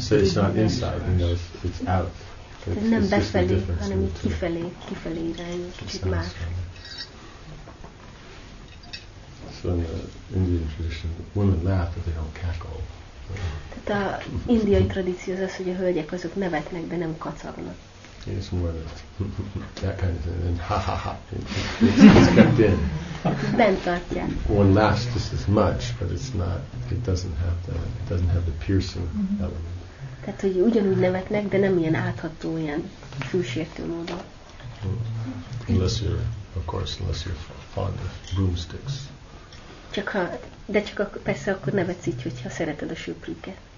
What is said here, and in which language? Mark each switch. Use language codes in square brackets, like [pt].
[en] So it's not inside, you know, it's out. [hu] Nem befelé, hanem így kifelé, kifelé irányú, kicsit más. [en] So in the Indian tradition, women laugh but they don't cackle. [hu] Tehát a indiai tradíció az, hogy a hölgyek azok nevetnek, de nem kacagnak. [en] It's more than that kind of thing. And ha ha ha. It's kept in. [hu] Bent tartják. [en] One laughs just as much, but it's not. It doesn't have the. It doesn't have the piercing element. [hu] Tehát, hogy ugyanúgy nevetnek, de nem ilyen átható, ilyen fűsértő módon. [en] Unless you're, of course, unless you're fond of broomsticks. [hu] Csak ha, de csak akkor, persze akkor nevetsz így, hogyha szereted a süprüket.